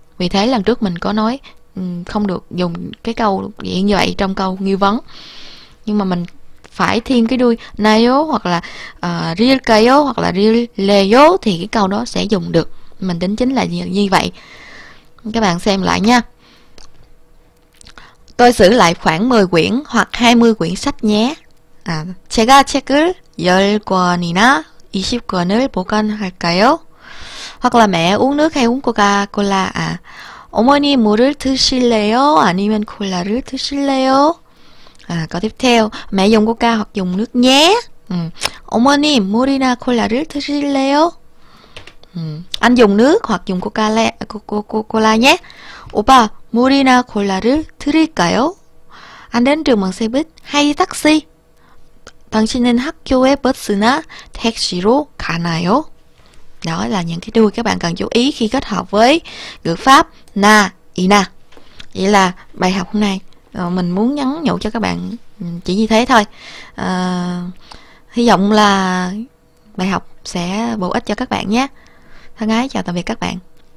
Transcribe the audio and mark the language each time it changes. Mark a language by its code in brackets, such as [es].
[vi] Vì thế lần trước mình có nói không được dùng cái câu như vậy trong câu nghi vấn, nhưng mà mình phải thêm cái đuôi 나요 hoặc là 릴까요 hoặc là 릴래요 thì cái câu đó sẽ dùng được. Mình đính chính là như vậy. Các bạn xem lại nha: tôi giữ lại khoảng 10 quyển hoặc 20 quyển sách nhé. [ko] 제가 책을 10권이나 20권을 보관할까요? [vi] Hoặc là mẹ uống nước hay uống Coca-Cola? [ko] 어머니 물을 드실래요? 아니면 콜라를 드실래요? [vi] Câu tiếp theo: mẹ dùng Coca hoặc dùng nước nhé. 어머니 물이나 콜라를 드실래요? Anh dùng nước hoặc dùng Coca-Cola nhé. Opa, Murina Cola를 드릴까요? Anh đến trường bằng xe buýt hay taxi? [ko] 당신은 학교에 버스나 택시로 가나요? [vi] Đó là những cái đuôi các bạn cần chú ý khi kết hợp với ngữ pháp na, ina. Vậy là bài học hôm nay mình muốn nhắn nhủ cho các bạn chỉ như thế thôi. Hy vọng là bài học sẽ bổ ích cho các bạn nhé. Thân ái chào tạm biệt các bạn.